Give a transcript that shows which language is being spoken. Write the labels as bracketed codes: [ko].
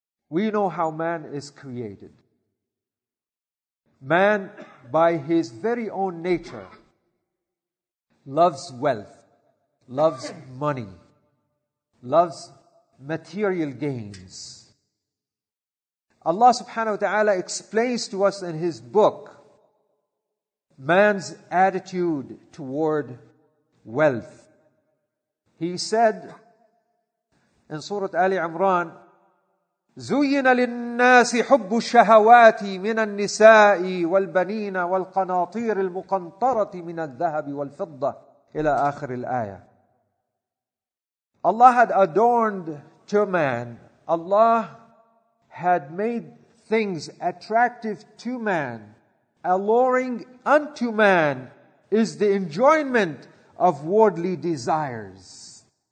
[en] We know how man is created. Man, by his very own nature, loves wealth, loves money, loves material gains. Allah subhanahu wa ta'ala explains to us in His book man's attitude toward wealth. He said in Surah Ali Imran, [ar] زُيِّنَ لِلنَّاسِ حُبُّ الشَّهَوَاتِ مِنَ النِّسَاءِ وَالْبَنِينَ وَالْقَنَاطِيرِ الْمُقَنْطَرَةِ مِنَ الذَّهَبِ وَالْفِضَّةِ إلى آخر الآية. [en] Allah had adorned to man. Allah had made things attractive to man. Alluring unto man is the enjoyment of worldly desires.